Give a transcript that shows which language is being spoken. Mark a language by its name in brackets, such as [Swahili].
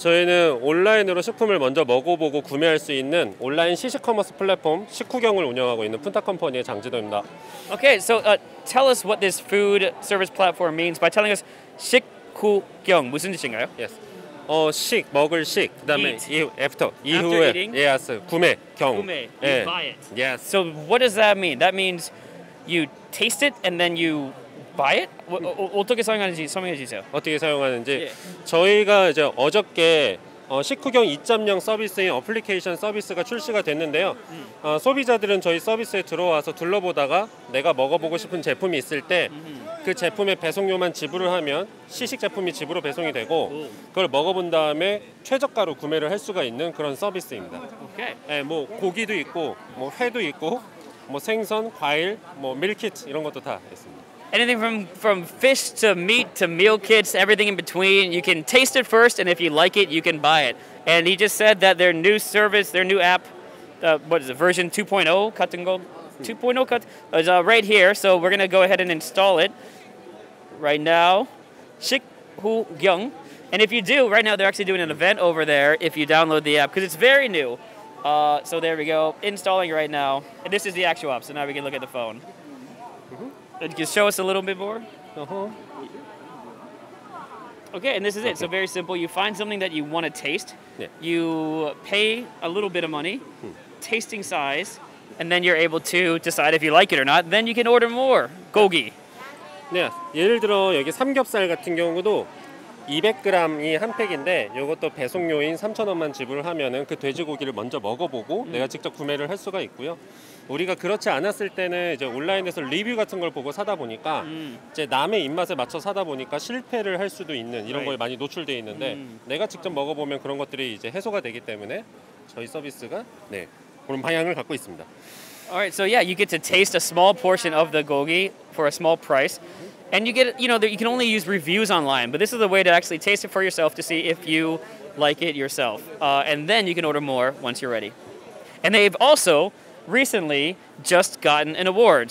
[Korean] 저희는 온라인으로 식품을 먼저 먹어보고 구매할 수 있는 온라인 시식 커머스 플랫폼 식후경을 운영하고 있는 푼타 컴퍼니의 장지도입니다. [English] Okay, so tell us what this food service platform means by telling us [Korean] 식후경, 무슨 뜻인가요? [English] Yes. [Korean] 어, 식, 먹을 식, 그 다음에 [English] after, [Korean] 이후에, [English] after yes, [Korean] 구매, 경. 구매, [English] you yeah. buy it. Yes. So what does that mean? That means you taste it and then you buy it? [Korean] 어떻게 사용하는지 설명해 주세요. 어떻게 사용하는지 저희가 이제 어저께 식후경 2.0 서비스인 어플리케이션 서비스가 출시가 됐는데요. 소비자들은 저희 서비스에 들어와서 둘러보다가 내가 먹어보고 싶은 제품이 있을 때 그 제품의 배송료만 지불을 하면 시식 제품이 집으로 배송이 되고 그걸 먹어본 다음에 최저가로 구매를 할 수가 있는 그런 서비스입니다. [English] 오케이. [Korean] 네, 뭐 고기도 있고 뭐 회도 있고 뭐 생선, 과일, 뭐 밀키트 이런 것도 다 있습니다. [English] Anything from fish to meat to meal kits, everything in between. You can taste it first, and if you like it, you can buy it. And he just said that their new service, their new app, what is it, version 2.0, cut and gold? 2.0 cut, is right here. So we're going to go ahead and install it right now. [Korean] 식후경. [English] And if you do, right now they're actually doing an event over there if you download the app, because it's very new. So there we go, installing right now. And this is the actual app, so now we can look at the phone. And can you show us a little bit more? Uh-huh. Okay, and this is it. Okay. So very simple. You find something that you want to taste. Yeah. You pay a little bit of money, tasting size, and then you're able to decide if you like it or not. Then you can order more. Gogi. Yeah. [Korean] 예를 들어 여기 삼겹살 같은 경우도 200g이 한 팩인데 이것도 배송료인 3,000원만 지불을 하면은 그 돼지고기를 먼저 먹어보고 내가 직접 구매를 할 수가 있고요. 우리가 그렇지 않았을 때는 이제 온라인에서 리뷰 같은 걸 보고 사다 보니까 이제 남의 입맛에 맞춰 사다 보니까 실패를 할 수도 있는 이런 [English] right. [Korean] 거에 많이 노출되어 있는데 내가 직접 먹어보면 그런 것들이 이제 해소가 되기 때문에 저희 서비스가 네, 그런 방향을 갖고 있습니다. [English] Alright, so yeah, you get to taste a small portion of the gogi for a small price. And you get, you know, you can only use reviews online, but this is a way to actually taste it for yourself to see if you like it yourself. And then you can order more once you're ready. And they've also recently just gotten an award.